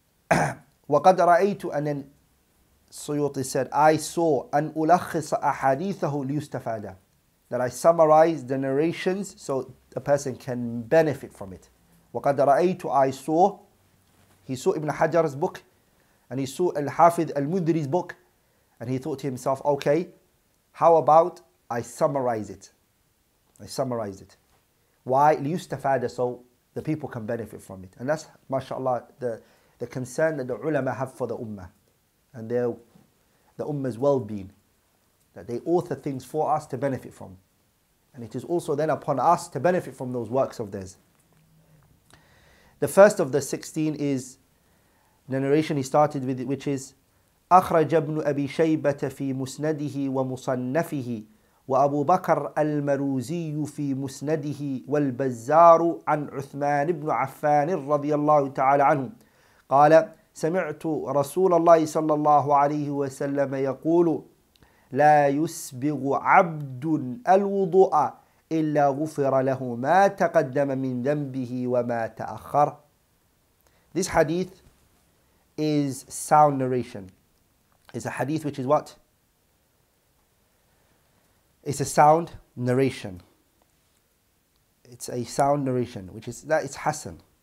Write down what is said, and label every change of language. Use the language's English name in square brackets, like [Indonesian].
[Arabic] وَقَدْ رَأَيْتُ أَنَّ السُّيُوطِ [English] said, I saw [Arabic] أَنْ أُلَخِّصَ أَحَادِيثَهُ لِيُسْتَفَادَ. [English] That I summarize the narrations so a person can benefit from it. [Arabic] وَقَدْ رَأَيْتُ [English] I saw. He saw Ibn Hajar's book and he saw Al-Hafidh Al-Mundri's book and he thought to himself, okay, how about I summarize it? I summarize it. Why? [Arabic] لِيُسْتَفَادَ, [English] so the people can benefit from it. And that's, mashallah, the concern that the ulama have for the ummah and the ummah's well-being. That they author things for us to benefit from. And it is also then upon us to benefit from those works of theirs. The first of the 16 is the narration he started with, which is [Arabic] أخرج ابن أبي شيبة في مسنده ومصنفه وأبو بكر المروزي في مسنده والبزار عن عثمان بن عفان رضي الله تعالى عنه قال سمعت رسول الله صلى الله عليه وسلم يقول لا يسبغ عبد الوضوء إلا غفر له ما تقدم من ذنبه وما تأخر. [English] This hadith is sound narration. It's a hadith which is what? It's a sound narration. It's a sound narration, which is that it's Hassan.